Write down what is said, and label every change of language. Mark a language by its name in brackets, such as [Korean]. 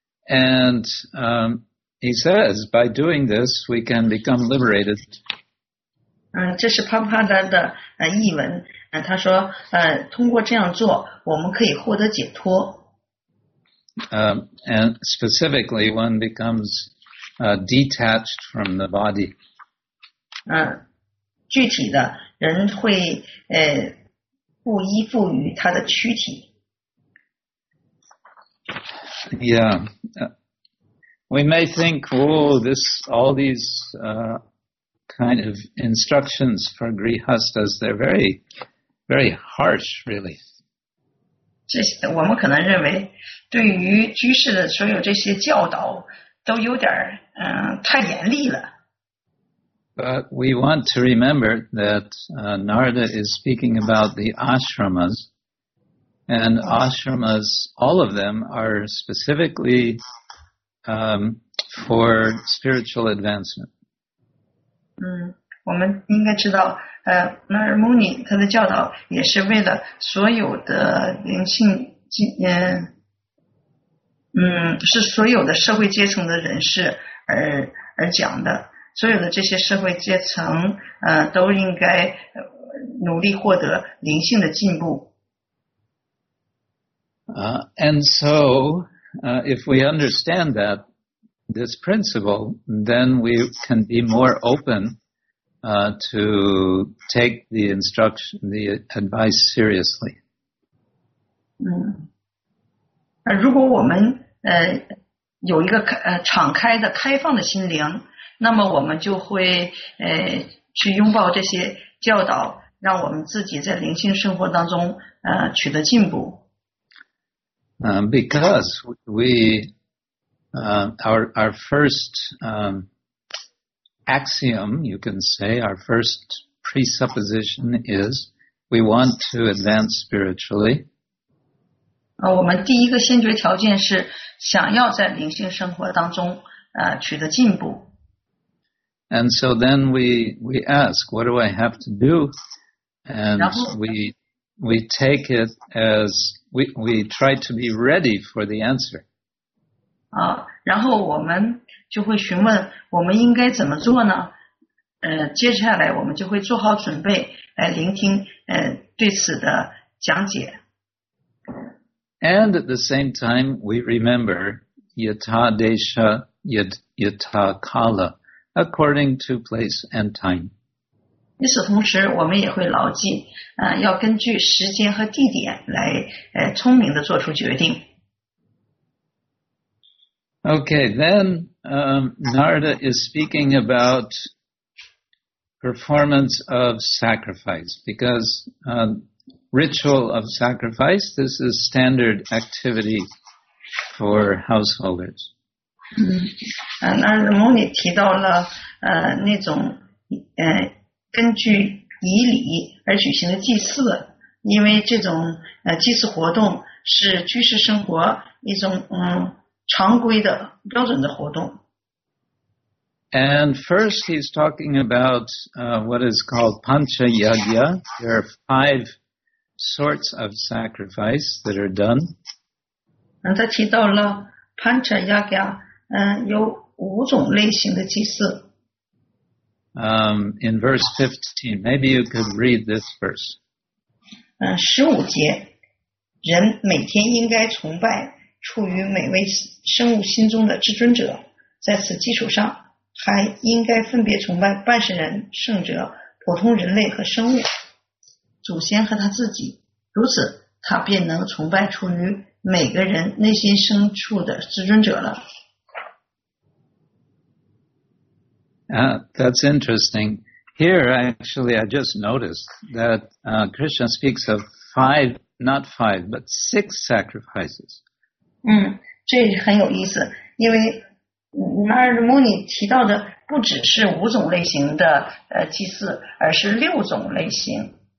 [English] And he says, by doing this, we can become liberated. [Chinese] 这是帕帕达的译文他说通过这样做我们可以获得解脱。 [English] And specifically, one becomes detached from the body. [Chinese] 具体的人会不依附于他的躯体。 [English] Yeah, we may think, all these kind of instructions for grihasthas, they're very, very harsh, really. [Chinese] 这些我们可能认为对于居士的所有这些教导都有点太严厉了。 [English] But we want to remember that Narada is speaking about the ashramas, and ashramas, all of them are specifically for spiritual advancement. [Chinese] 我们应该知道那尔穆尼他的教导也是为了所有的灵性是所有的社会阶层的人士而讲的，所有的这些社会阶层都应该努力获得灵性的进步。 [English] If we understand that this principle, then we can be more open to take the instruction, the advice seriously. [Chinese] 如果我们有一个敞开的、开放的心灵，那么我们就会去拥抱这些教导，让我们自己在灵性生活当中取得进步。 [English] Because our first axiom, you can say, our first presupposition is we want to advance spiritually. [Chinese] 我们第一个先决条件是想要在灵性生活当中取得进步。 [English] And so then we ask, what do I have to do? And we take it as we try to be ready for the answer. [Chinese] 然后我们就会询问我们应该怎么做呢？接下来我们就会做好准备来聆听对此的讲解。 [English] And at the same time, we remember [Sanskrit] yata desha yata kala, [English] according to place and time. [Chinese] 与此同时，我们也会牢记，要根据时间和地点来，聪明地做出决定。 [English] Okay, then Narada is speaking about performance of sacrifice, because ritual of sacrifice, this is standard activity for householders. [Chinese] Narada Muni 提到了那种根据仪礼而举行的祭祀，因为这种祭祀活动是居士生活一种常规的标准的活动。 [English] And first he's talking about what is called Pancha Yagya. There are five sorts of sacrifice that are done. [Chinese] 他提到了 Pancha Yagya, 有五种类型的祭祀。 [English] In verse 15, maybe you could read this verse. [Chinese] 15节，人每天应该崇拜处于每位生物心中的至尊者，在此基础上还应该分别崇拜半神人、圣者、普通人类和生物、祖先和他自己，如此他便能崇拜处于每个人内心深处的至尊者了。 [English] That's interesting. Here, actually, I just noticed that Krishna speaks of six sacrifices. [Chinese] 这很有意思，因为那儿穆尼提到的不只是五种类型的祭祀，而是六种类型。